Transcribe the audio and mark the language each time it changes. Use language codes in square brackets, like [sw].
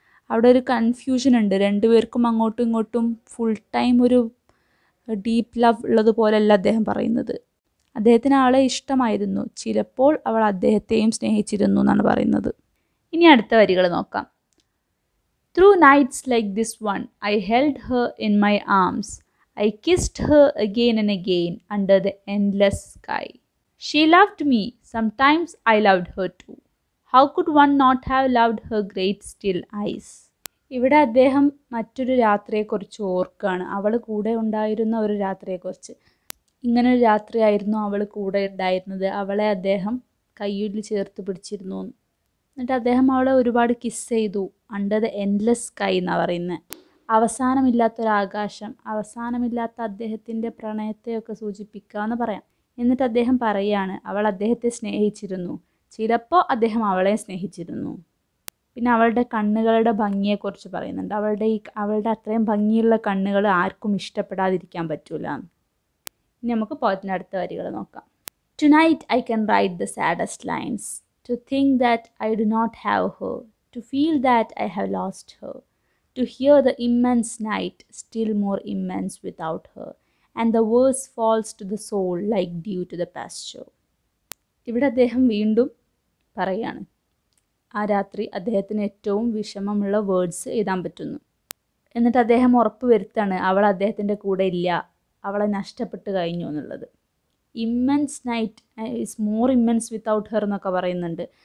[ml] അവിടെ ഒരു കൺഫ്യൂഷൻ ഉണ്ട് രണ്ടുപേർക്കും, അങ്ങോട്ടും ഇങ്ങോട്ടും ഫുൾ ടൈം ഒരു ഡീപ്പ് ലവ് ഉള്ളതുപോലെയല്ല അദ്ദേഹം പറയുന്നത്. അദ്ദേഹത്തിന് അവളെ ഇഷ്ടമായിരുന്നു, ചിലപ്പോൾ അവൾ അദ്ദേഹത്തെയും സ്നേഹിച്ചിരുന്നു എന്നാണ് പറയുന്നത്. ഇനി അടുത്ത വരികൾ നോക്കാം. [en] Through nights like this one I held her in my arms. I kissed her again and again under the endless sky. She loved me. Sometimes I loved her too. How could one not have loved her great still eyes? [ml] ഇവിടെ അദ്ദേഹം മറ്റൊരു രാത്രിയെക്കുറിച്ച് ഓർക്കുകയാണ്, അവൾ കൂടെ ഉണ്ടായിരുന്ന ഒരു രാത്രിയെക്കുറിച്ച്. ഇങ്ങനെ ഒരു രാത്രിയായിരുന്നു അവൾ കൂടെ ഉണ്ടായിരുന്നത്. അവളെ അദ്ദേഹം കയ്യിൽ ചേർത്ത് പിടിച്ചിരുന്നു. എന്നിട്ട് അദ്ദേഹം അവളെ ഒരുപാട് കിസ് ചെയ്തു. [en] under the endless sky [ml] എന്നാണ് പറയുന്നത്. അവസാനമില്ലാത്തൊരാകാശം, അവസാനമില്ലാത്ത അദ്ദേഹത്തിൻ്റെ പ്രണയത്തെയൊക്കെ സൂചിപ്പിക്കാമെന്ന് പറയാം. എന്നിട്ട് അദ്ദേഹം പറയുകയാണ്, അവൾ അദ്ദേഹത്തെ സ്നേഹിച്ചിരുന്നു, ചിലപ്പോൾ അദ്ദേഹം അവളെ സ്നേഹിച്ചിരുന്നു. പിന്നെ അവളുടെ കണ്ണുകളുടെ ഭംഗിയെക്കുറിച്ച് പറയുന്നുണ്ട്. അവളുടെ അത്രയും ഭംഗിയുള്ള കണ്ണുകൾ ആർക്കും ഇഷ്ടപ്പെടാതിരിക്കാൻ പറ്റൂല. ഇനി നമുക്ക് പോയത്തിൻ്റെ അടുത്ത വരികൾ നോക്കാം. [en] Tonight I can write the saddest lines. To think that I do not have her. To feel that I have lost her. To hear the immense night, still more immense without her. And the verse falls to the soul like dew to the pasture. [ml] ഇവിടെ അദ്ദേഹം വീണ്ടും പറയുകയാണ്, ആ രാത്രി അദ്ദേഹത്തിന് ഏറ്റവും വിഷമമുള്ള words എഴുതാൻ പറ്റുന്നു. എന്നിട്ട് അദ്ദേഹം ഉറപ്പ് വരുത്താണ് അവൾ അദ്ദേഹത്തിൻ്റെ കൂടെ ഇല്ല, അവളെ നഷ്ടപ്പെട്ട് കഴിഞ്ഞു എന്നുള്ളത്. [en] immense night is more immense without her [ml] എന്നൊക്കെ പറയുന്നുണ്ട്.